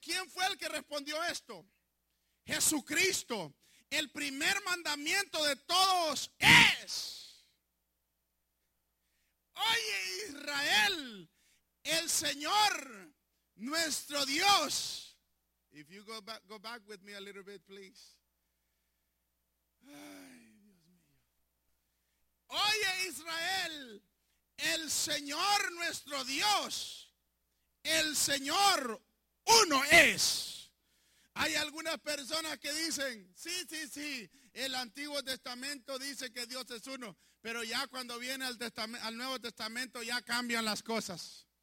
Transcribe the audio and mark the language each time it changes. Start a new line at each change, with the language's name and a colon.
Spanish: ¿Quién fue el que respondió esto? Jesucristo. El primer mandamiento de todos es, oye Israel, el Señor nuestro Dios.
English: If you go back with me a little bit, please.
Spanish: Ay, Dios mío. Oye Israel, el Señor nuestro Dios, el Señor uno es. Hay algunas personas que dicen, sí, el Antiguo Testamento dice que Dios es uno, pero ya cuando viene al Nuevo Testamento ya cambian las cosas.